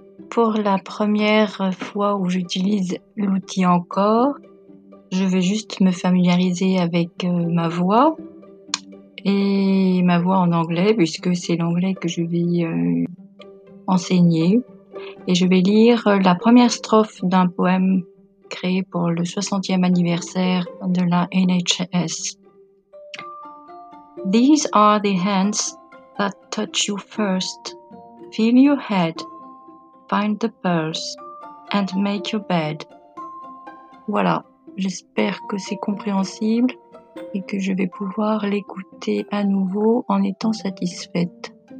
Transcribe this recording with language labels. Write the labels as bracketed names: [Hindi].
[French] Pour la première fois où j'utilise l'outil encore, je vais juste me familiariser avec ma voix et ma voix en anglais, puisque c'est l'anglais que je vais enseigner. Et je vais lire la première strophe d'un poème créé pour le 60e anniversaire de la NHS. [English] These are the hands that touch you first. Feel your head, find the pulse, and make your bed. [French] Voilà, j'espère que c'est compréhensible et que je vais pouvoir l'écouter à nouveau en étant satisfaite.